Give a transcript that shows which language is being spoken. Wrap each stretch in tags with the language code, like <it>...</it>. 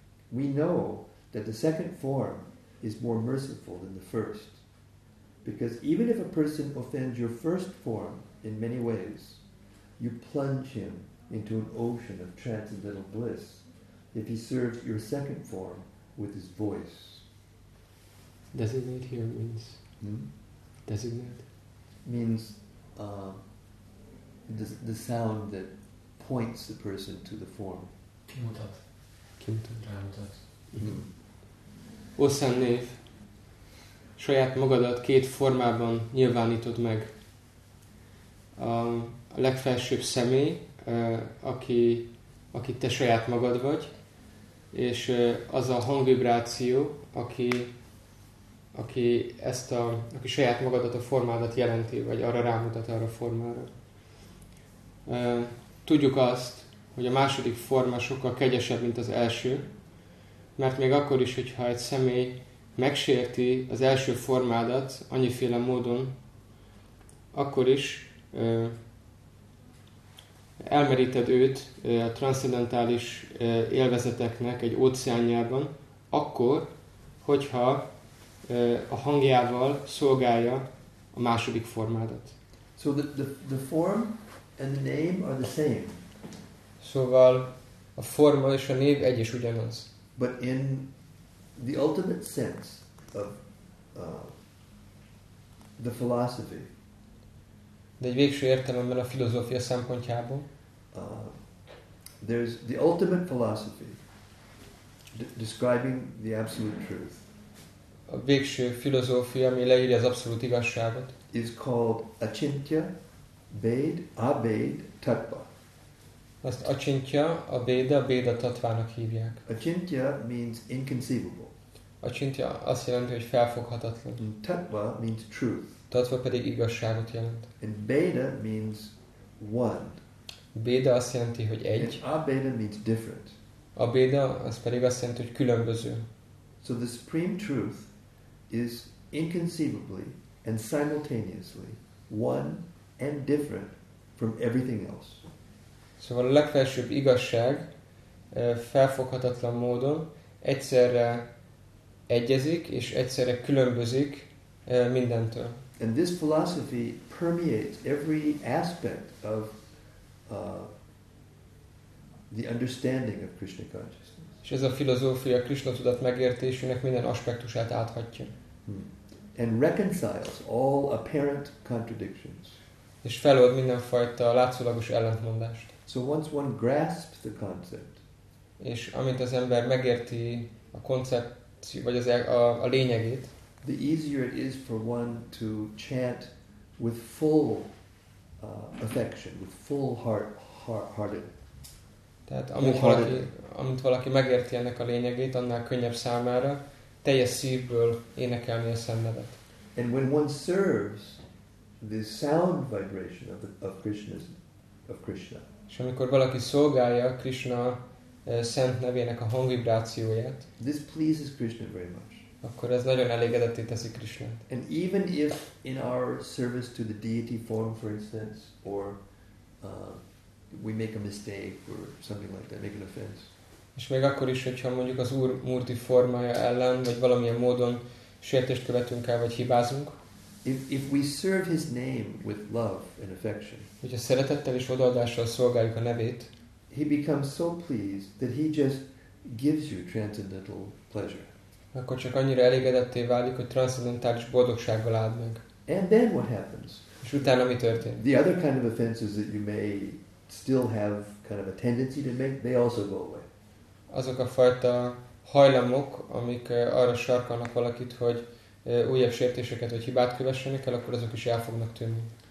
<en>We know that the second form is more merciful than the first, because even if a person offends your first form in many ways, you plunge him into an ocean of transcendental bliss if he serves your second form with his voice. Designate here means... Designate? Means the sound that points the person to the form.</en> <hu>Kimutat. Kimutat. Rámutat. Oszen név, saját magadat két formában nyilvánítod meg. A legfelsőbb személy, aki te saját magad vagy, és az a hangvibráció, aki saját magadat, a formádat jelenti, vagy arra rámutat, arra formára. Tudjuk azt, hogy a második forma sokkal kegyesebb, mint az első, mert még akkor is, hogyha egy személy megsérti az első formádat annyiféle módon, akkor is elmeríted őt a transzcendentális élvezeteknek egy óceánjában, akkor, hogyha a hangjával szolgálja a második formádat.</hu> <en>So the form and the name are the same.</en> <hu>Szóval a forma és a név egy és ugyanaz.</hu> <en>But in the ultimate sense of the philosophy.</en> <hu>De egy végső értelemben a filozófia szempontjából.</hu> <en>There's the ultimate philosophy describing the absolute truth.</en> <hu>A végső filozófia, ami leírja az abszolút igazságot,</hu> <en>is called Achintya Bhed Abhed Tattva.</en> <hu>Azt Achintya Abheda Bheda Tattvának hívják.</hu> <en>Achintya means inconceivable.</en> <hu>Achintya azt jelenti, hogy felfoghatatlan.</hu> <en>And Tattva means truth.</en> <hu>Tattva pedig igazságot jelent.</hu> <en>And Bheda means one.</en> <hu>Bheda azt jelenti, hogy egy.</hu> <en>And Abheda means different.</en> <hu>Abheda az pedig azt jelenti, hogy különböző.</hu> <en>So the supreme truth is inconceivably and simultaneously one and different from everything else.</en> <hu>Szóval a legfelsőbb igazság felfoghatatlan módon egyszerre egyezik és egyszerre különbözik mindentől.</hu> <en>And this philosophy permeates every aspect of the understanding of Krishna consciousness.</en> <hu>És ez a filozófia Krishna tudat megértésének minden aspektusát áthatja.</hu> <en>And reconciles all apparent contradictions.</en> <hu>És felold mindenfajta látszólagos ellentmondást.</hu> <en>So once one grasps the concept.</en> <hu>És amint az ember megérti a koncepciót, vagy a lényegét,</hu> <en>the easier it is for one to chant with full affection, with full heart-hearted.</en> <hu>Tehát amint valaki megérti ennek a lényegét, annál könnyebb számára teljes szívből énekelni a szennevet.</hu> <en>And when one serves the sound vibration of Krishna.</en> <hu>És amikor valaki szolgálja Krishna szent nevének a hangvibrációját,</hu> <en>this pleases Krishna very much.</en> <hu>Akkor ez nagyon elégedetté teszi Krishnát.</hu> <en>And even if in our service to the deity form, for instance, or we make a mistake or something like that, make an offense.</en> <hu>És még akkor is, hogyha mondjuk az Úr Murti formája ellen, vagy valamilyen módon sértést követünk el, vagy hibázunk.</hu> <en>If we serve his name with love and affection,</en> <hu>hogyha szeretettel és odaadással szolgáljuk a nevét,</hu> <en>he becomes so pleased that he just gives you transcendental pleasure.</en> <hu>Akkor csak annyira elégedetté válik, hogy transzendentális boldogsággal áld meg.</hu> <en>And then what happens?</en> <hu>És utána mi történik?</hu> <en>The other kind of offenses that you may still have kind of a tendency to make, they also go away.</en> <hu>azok a fajta hajlamok, amik arra sarkalnak valakit, hogy újabb sértéseket vagy hibát kövessenek kell, akkor azok is el fognak tűnni.</hu>